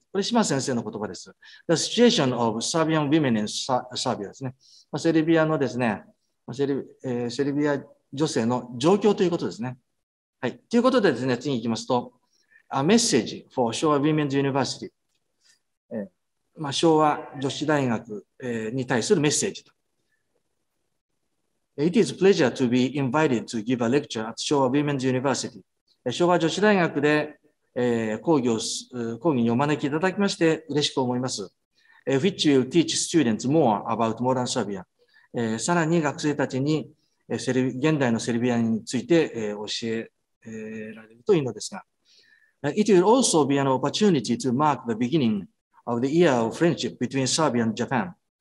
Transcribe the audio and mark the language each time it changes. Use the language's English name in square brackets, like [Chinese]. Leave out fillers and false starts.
[Japanese] これ、島先生の言葉です。 [English] The situation of Serbian women in Serbia [Japanese] ですね。セルビアのですね、セルビア女性の状況ということですね。はい。ということでですね、次に行きますと、 [English] A message for Showa Women's University。 [Japanese] まあ、昭和女子大学に対するメッセージと。 [English] It is a pleasure to be invited to give a lecture at Showa Women's University。 [Japanese] 昭和女子大学で、講義にお招きいただきまして嬉しく思います。 [English] Which will teach students more about modern Serbia。 [Japanese] さらに学生たちに現代のセルビアについて教えられるといいのですが。 [English] It will also be an opportunity to mark the beginning of the year of friendship between Serbia and Japan。